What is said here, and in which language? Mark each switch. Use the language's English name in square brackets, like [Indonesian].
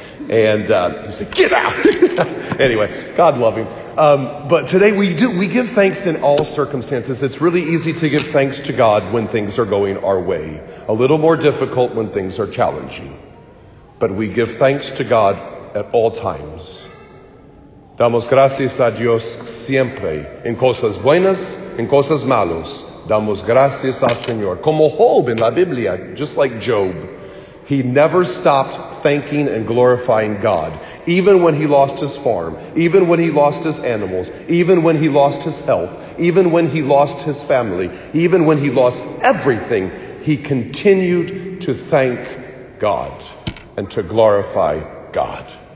[English] And he said, get out. Anyway, God love him. But today we give thanks in all circumstances. It's really easy to give thanks to God when things are going our way. A little more difficult when things are challenging. But we give thanks to God at all times. [Spanish] Damos gracias a Dios siempre, en cosas buenas, en cosas malos. Damos gracias al Señor. Como Job in la Biblia, [English] just like Job, he never stopped thanking and glorifying God, even when he lost his farm, even when he lost his animals, even when he lost his health, even when he lost his family, even when he lost everything, he continued to thank God and to glorify God.